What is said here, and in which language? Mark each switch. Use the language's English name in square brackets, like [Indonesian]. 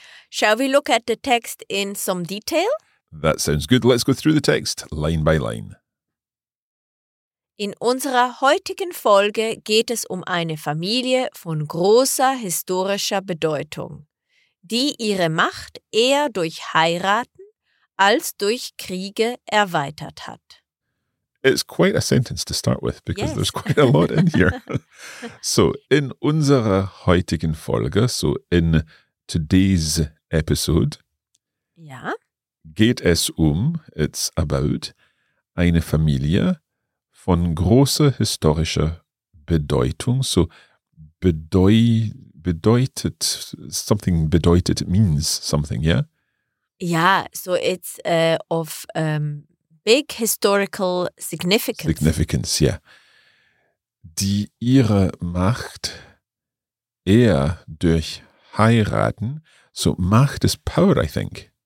[English] Shall we look at the text in some detail? That sounds good. Let's go through the text, line by line. [German] In unserer heutigen Folge geht es um eine Familie von großer historischer Bedeutung, die ihre Macht eher durch Heiraten als durch Kriege erweitert hat. [English] It's quite a sentence to start with, because there's quite a lot in here. So, [German] in unserer heutigen Folge, [English] so in today's episode, [German] geht es um, [English] it's about, [German] eine Familie von großer historischer Bedeutung. [English] So, bedeutet, something bedeutet means something, yeah? Yeah, so it's of... big historical significance. Significance, ja. [German] Die ihre Macht eher durch Heiraten, [English] so Macht is power, I think.